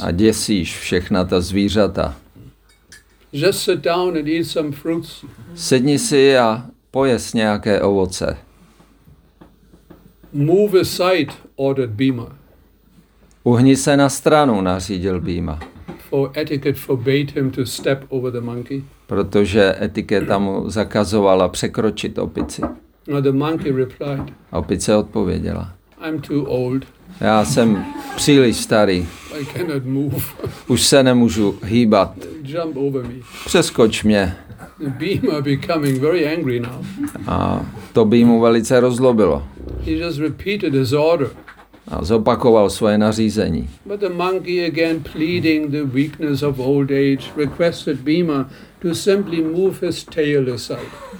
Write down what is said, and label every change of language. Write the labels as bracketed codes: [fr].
[cs] A děsíš všechna ta zvířata. [en] Just sit down and eat some fruits. [cs] Sedni si a pojez nějaké ovoce. [en] Move aside, ordered Bhima. [cs] Uhni se na stranu, nařídil Bhima. [en] For etiquette forbade him to step over the monkey. [cs] Protože etiketa mu zakazovala překročit opici. [en] No, the monkey replied. [cs] A opice odpověděla. [en] I'm too old. [cs] Já jsem příliš starý. [en] I cannot move. [cs] Už se nemůžu hýbat. [en] Jump over me. [cs] Přeskoč mě. [en] The Bhima becoming very angry now. [cs] A to Bhimu velice rozlobilo. [en] He just repeated his order. [cs] A zopakoval svoje nařízení. [en] But the monkey again pleading the weakness of old age requested Bhima to simply move his tail aside.